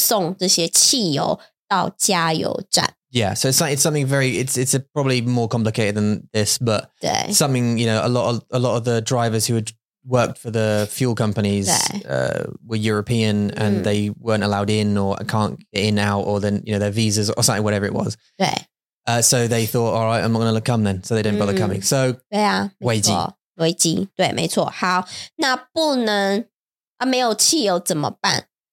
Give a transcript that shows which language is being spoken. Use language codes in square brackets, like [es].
[zh] 脱欧，对，没错。好，脱欧，那是因为英国脱欧的关系呢，所以住在英国的这些欧洲司机，他们都必须要回家了，嗯哼，对不对？他们都因为签证的关系，他们都必须要回家，所以他们不能开车送这些汽油到加油站。 [en] Yeah, so it's something very, it's a probably more complicated than this, but something, you know, a lot of the drivers who had worked for the fuel companies were European and they weren't allowed in or can't get in out or then, you know, their visas or something, whatever it was. So they thought, all right, I'm not going to come then. So they didn't bother coming. So, [zh] 危机，对，没错。好，那不能，没有汽油怎么办？